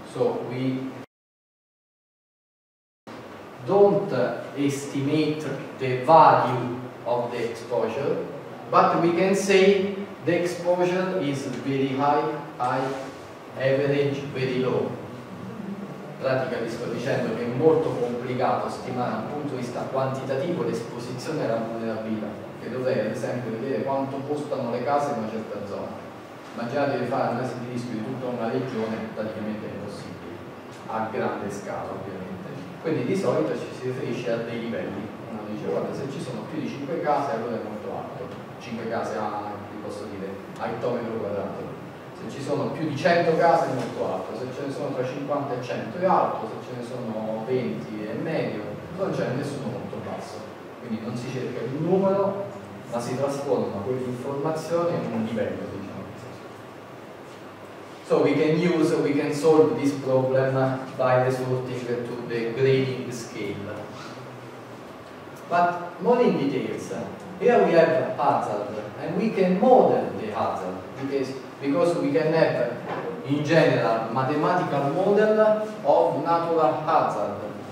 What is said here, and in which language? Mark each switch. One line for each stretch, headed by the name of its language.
English: So we don't estimate the value of the exposure, but we can say the exposure is very high, average, very low.
Italian: Praticamente sto dicendo che è molto complicato stimare dal punto di vista quantitativo l'esposizione alla vulnerabilità, che dovrei ad esempio vedere quanto costano le case in una certa zona. Immaginate di fare un'analisi di rischio di tutta una regione, praticamente è impossibile, a grande scala ovviamente. Quindi di solito ci si riferisce a dei livelli. Uno dice guarda, se ci sono più di 5 case allora è molto alto. 5 case a, vi posso dire, a ettometro quadrato. Se ci sono più di 100 case è molto alto, se ce ne sono tra 50 e 100 è alto, se ce ne sono 20 è medio, non ce ne sono molto basso. Quindi non si cerca il numero, ma si trasforma quell'informazione in un livello.
English: So we can use, we can solve this problem by resorting to the grading scale. But more in details, here we have a hazard, and we can model the hazard, because we can have, in general, mathematical model of natural hazard.